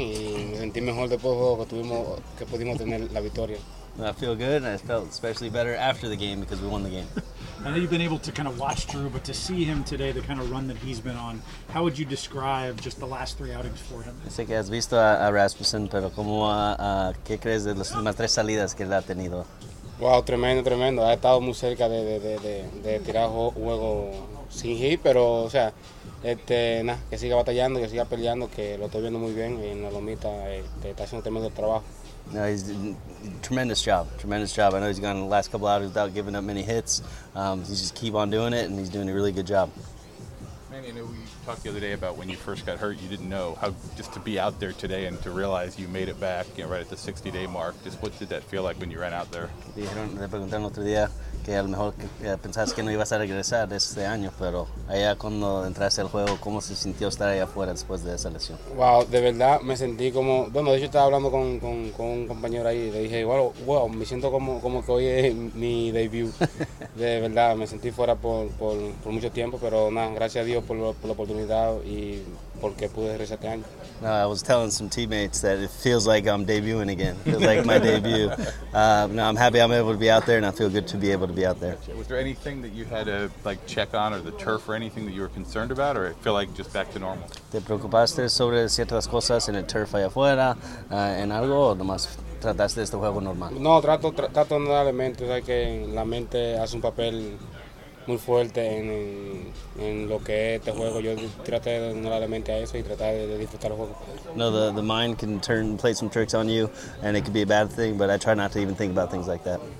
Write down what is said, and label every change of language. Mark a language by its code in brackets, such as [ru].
[es] Y me sentí mejor después de que tuvimos, que pudimos tener la victoria. [en] I feel good, and I felt especially better after the game because we won the game. I know you've been able to kind of watch Drew, but to see him today, the kind of run that he's been on, how would you describe just the last three outings for him? [es] Sé que has visto a Rasmussen, pero ¿cómo, qué crees de las últimas tres salidas que él ha tenido? Wow, tremendo, tremendo. Ha estado muy cerca de tirar juego sin hit, pero, o sea, nada, que siga batallando, que siga peleando, que lo estoy viendo muy bien y en la lomita está haciendo tremendo trabajo. [en] No, he's doing tremendous job. Tremendous job. I know he's gone the last couple outings without giving up many hits. He's just keep on doing it, and he's doing a really good job. Manny, I know we talked the other day about when you first got hurt. You didn't know how just to be out there today and to realize you made it back, you know, right at the 60-day mark. Just what did that feel like when you ran out there? [es] Dijeron, me preguntaron otro día que a lo mejor pensabas que no ibas a regresar este año, pero allá cuando entraste al juego, ¿cómo se sintió estar allá afuera después de esa lesión? Wow, de verdad me sentí como, bueno, de hecho estaba hablando con un compañero ahí y le dije, wow, me siento como que hoy es mi debut. De verdad, me sentí fuera por mucho tiempo, pero nada, gracias a Dios por la oportunidad y porque pude regresar este año. [en] No, I was telling some teammates that it feels like I'm debuting again. It feels like my debut. No, I'm happy I'm able to be out there, and I feel good to be able to be out there. Gotcha. Was there anything that you had to like check on, or the turf, or anything that you were concerned about, or it feel like just back to normal? [es] ¿Te preocupaste sobre ciertas cosas en el turf allá afuera, en algo, o nomás trataste este juego normal? No, trato nada de mente. O sea, que la mente hace un papel muy fuerte en lo que es este juego. Yo traté de no darle mente a eso y tratar de disfrutar el juego. [en] No, the mind can play some tricks on you, and it can be a bad thing, but I try not to even think about things like that.